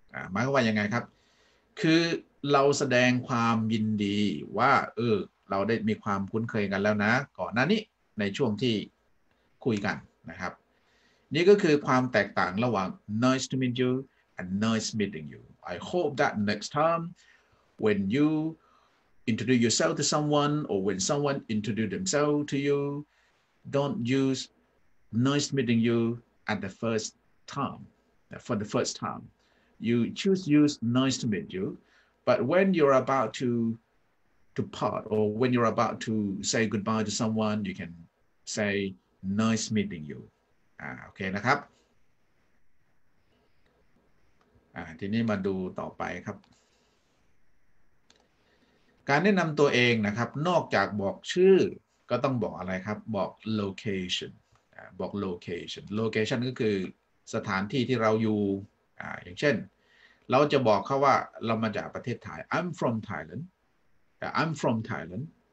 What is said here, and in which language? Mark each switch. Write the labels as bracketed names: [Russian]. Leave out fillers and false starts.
[Thai] หมายความว่ายังไงครับคือเราแสดงความยินดีว่าเราได้มีความคุ้นเคยกันแล้วนะก่อนหน้านี้ในช่วงที่คุยกันนะครับ นี่ก็คือความแตกต่างระหว่าง [English] nice to meet you and nice meeting you. I hope that next time when you introduce yourself to someone or when someone introduce themselves to you, don't use nice meeting you at the first time, for the first time. You choose use nice to meet you, but when you're about to part or when you're about to say goodbye to someone, you can say nice meeting you. [Thai] โอเคนะครับทีนี้มาดูต่อไปครับการแนะนำตัวเองนะครับนอกจากบอกชื่อก็ต้องบอกอะไรครับบอก location บอก location location ก็คือสถานที่ที่เราอยู่อย่างเช่นเราจะบอกเขาว่าเรามาจากประเทศไทย [English] I'm from Thailand I'm from Thailand